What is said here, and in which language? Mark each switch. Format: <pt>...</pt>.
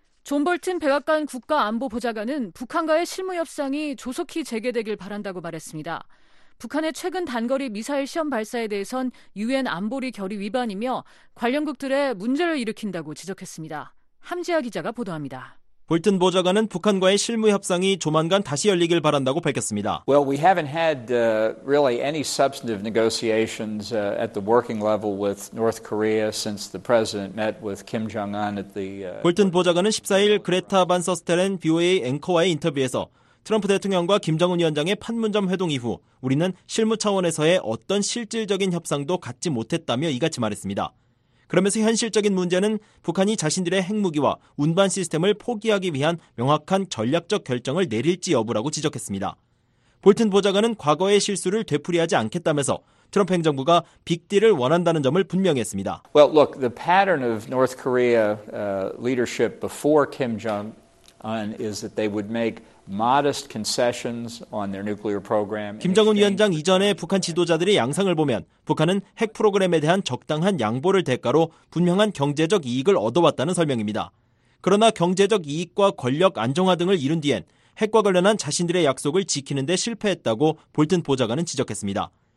<ko>존 볼튼 백악관 국가안보보좌관은 북한과의 실무협상이 조속히 재개되길 바란다고 말했습니다. 북한의 최근 단거리 미사일 시험 발사에 대해선 유엔 안보리 결의 위반이며 관련국들의 문제를 일으킨다고 지적했습니다. 함지아 기자가 보도합니다. 볼튼 보좌관은 북한과의 실무협상이 조만간 다시 열리길 바란다고 밝혔습니다.</ko> <en>Well, we haven't had really any substantive negotiations at the working level with North Korea since the president met with Kim Jong-un at the</en> <ko>볼튼 보좌관은 14일 그레타 반 서스텔렌 BOA 앵커와의 인터뷰에서 트럼프 대통령과 김정은 위원장의 판문점 회동 이후 우리는 실무 차원에서의 어떤 실질적인 협상도 갖지 못했다며 이같이 말했습니다. 그러면서 현실적인 문제는 북한이 자신들의 핵무기와 운반 시스템을 포기하기 위한 명확한 전략적 결정을 내릴지 여부라고 지적했습니다. 볼튼 보좌관은 과거의 실수를 되풀이하지 않겠다면서 트럼프 행정부가 빅딜을 원한다는 점을 분명히 했습니다.</ko> <en>Well, look, the pattern of North Korea leadership before Kim Jong-un is that they would make modest concessions on their nuclear program.</en> <ko>김정은 위원장 이전의 북한 지도자들의 양상을 보면 북한은 핵 프로그램에 대한 적당한 양보를 대가로 분명한 경제적 이익을 얻어왔다는 설명입니다. 그러나 경제적 이익과 권력 안정화 등을 이룬 뒤엔 핵과 관련한 자신들의 약속을 지키는데 실패했다고 볼튼 보좌관은 지적했습니다.</ko>